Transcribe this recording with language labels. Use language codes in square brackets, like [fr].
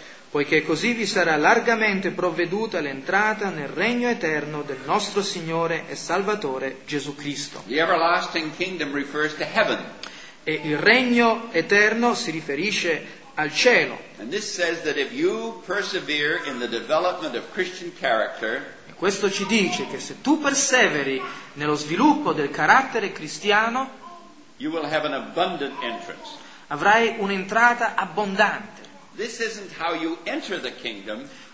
[it] Poiché così vi sarà largamente provveduta l'entrata nel regno eterno del nostro Signore e Salvatore Gesù Cristo. [en] The everlasting kingdom refers to heaven. [it] E il regno eterno si riferisce al cielo. [en] And this says that if you persevere in the development of Christian character. [it] Questo ci dice che se tu perseveri nello sviluppo del carattere cristiano, [en] you will have an abundant entrance. [it] Avrai un'entrata abbondante. [en] This isn't how you enter the kingdom.